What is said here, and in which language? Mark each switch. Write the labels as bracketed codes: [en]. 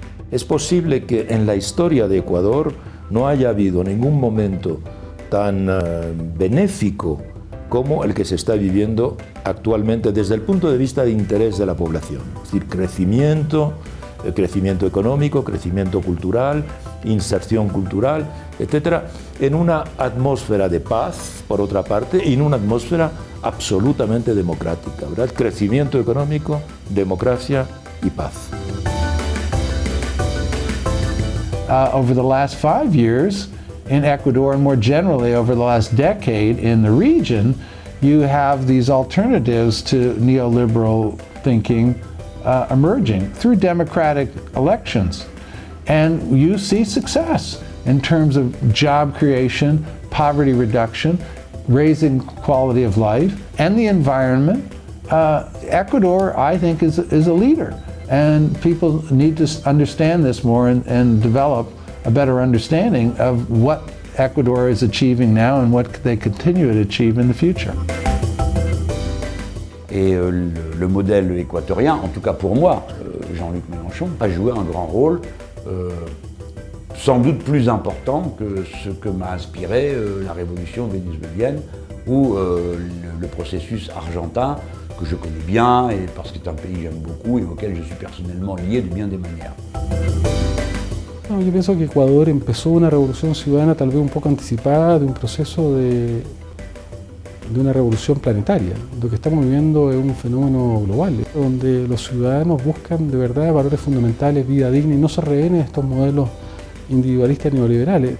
[es] Es posible que en la historia de Ecuador no haya habido ningún momento tan benéfico como el que se está viviendo actualmente desde el punto de vista de interés de la población. Es decir, crecimiento económico, crecimiento cultural, inserción cultural, etcétera, en una atmósfera de paz, por otra parte, y en una atmósfera absolutamente democrática, ¿verdad? Crecimiento económico, democracia y paz. [en] Over the last 5 years, in Ecuador, and more generally over the last decade in the region, you have these alternatives to neoliberal thinking emerging through democratic elections. And you see success in terms of job creation, poverty reduction, raising quality of life, and the environment. Ecuador, I think, is a leader. And people need to understand this more and develop a better understanding of what Ecuador is achieving now and what they continue to achieve in the future. [fr] Et le modèle équatorien, en tout cas pour moi, Jean-Luc Mélenchon, a joué un grand rôle, sans doute plus important que ce que m'a inspiré la révolution vénézuélienne ou le processus argentin, que je connais bien et parce que c'est un pays que j'aime beaucoup et auquel je suis personnellement lié de bien des manières. [es] No, yo pienso que Ecuador empezó una revolución ciudadana tal vez un poco anticipada de un proceso de una revolución planetaria. Lo que estamos viviendo es un fenómeno global, donde los ciudadanos buscan de verdad valores fundamentales, vida digna, y no se rehenen estos modelos individualistas neoliberales.